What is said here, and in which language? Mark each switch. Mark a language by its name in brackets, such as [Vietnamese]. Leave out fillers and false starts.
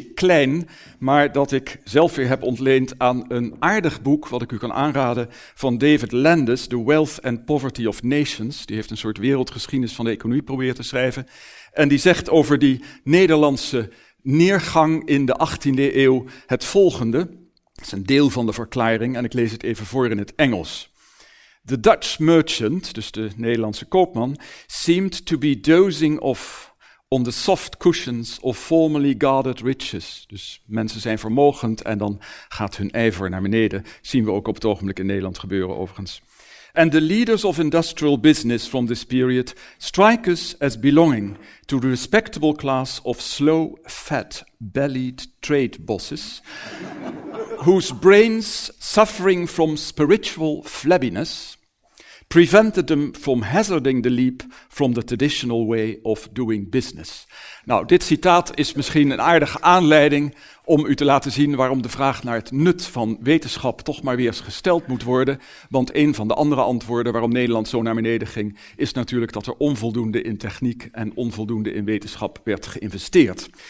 [Dutch] Klein, maar dat ik zelf weer heb ontleend aan een aardig boek, wat ik u kan aanraden, van David Landes, The Wealth and Poverty of Nations. Die heeft een soort wereldgeschiedenis van de economie probeert te schrijven. En die zegt over die Nederlandse neergang in de 18e eeuw het volgende. Het is een deel van de verklaring en ik lees het even voor in het Engels. [English] The Dutch merchant, [Dutch] dus de Nederlandse koopman, [English] seemed to be dozing off on the soft cushions of formerly guarded riches. [Dutch] Dus mensen zijn vermogend en dan gaat hun ijver naar beneden. Zien we ook op het ogenblik in Nederland gebeuren overigens. [English] And the leaders of industrial business from this period strike us as belonging to the respectable class of slow, fat, bellied trade bosses whose brains, suffering from spiritual flabbiness, prevented them from hazarding the leap from the traditional way of doing business. [Dutch] Nou, dit citaat is misschien een aardige aanleiding om u te laten zien waarom de vraag naar het nut van wetenschap toch maar weer eens gesteld moet worden. Want een van de andere antwoorden waarom Nederland zo naar beneden ging, is natuurlijk dat er onvoldoende in techniek en onvoldoende in wetenschap werd geïnvesteerd.